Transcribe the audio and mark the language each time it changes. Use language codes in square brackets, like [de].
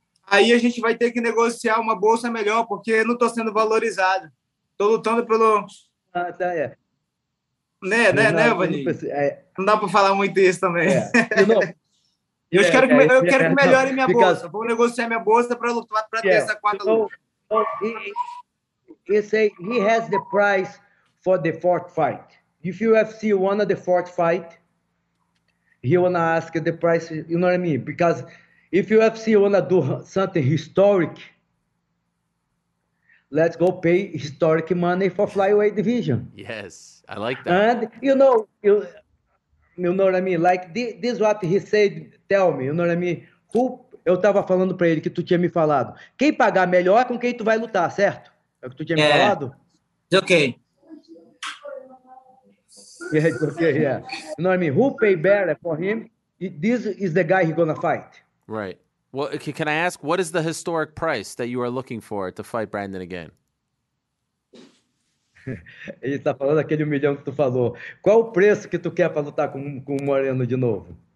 [pt] Aí a gente vai ter que negociar uma bolsa melhor, porque eu não tô sendo valorizado. Tô lutando pelo... Ah, tá, é. Né, Vaninho? Não dá para falar muito isso também. É. Eu quero que melhore minha bolsa. Vou negociar minha bolsa para lutar para ter essa quarta luta. [en] He has the price for the fourth fight. If UFC won the fourth fight, he wanna ask the price, you know what I mean? Because if UFC wanna do something historic, let's go pay historic money for flyweight division. Yes, I like that. And you know what I mean? Like this what he said, tell me, you know what I mean? [pt] Who, eu tava falando pra ele que tu tinha me falado. Quem pagar melhor é com quem tu vai lutar, certo? É o que tu tinha me falado? [en] It's okay. Yeah, it's okay, yeah. You know what I mean? Who pay better for him? This is the guy he's going to fight. Right. Well, can I ask, what is the historic price that you are looking for to fight Brandon again? [pt] Ele está falando aquele milhão que tu falou. Qual o preço que tu quer para lutar com o Moreno de novo?